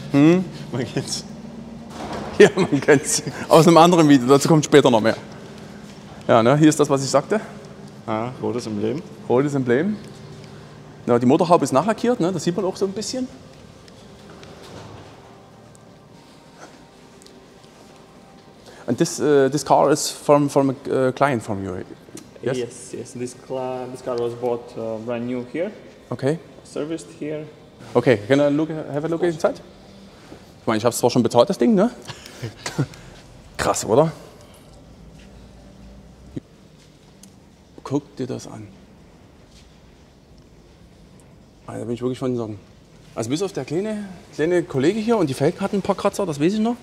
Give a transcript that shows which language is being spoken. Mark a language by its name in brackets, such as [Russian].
[German] Man kennt's. Ja, man kennt es aus einem anderen Video, dazu kommt später noch mehr. Ja, ne, hier ist das, was ich sagte. Ja, rotes Emblem. Rotes Emblem. Ja, die Motorhaube ist nachlackiert, ne? Das sieht man auch so ein bisschen. [English] And this car is from a client from you? Yes, yes, yes. This car was bought brand new here. Okay. Serviced here. Okay, can I have a look inside? [German] Ich meine, ich habe es zwar schon bezahlt, das Ding, ne? Krass, oder? Guck dir das an. Also, da bin ich wirklich von den Sorgen. Also bis auf der kleine Kollege hier und die Felgen hatten ein paar Kratzer, das weiß ich noch.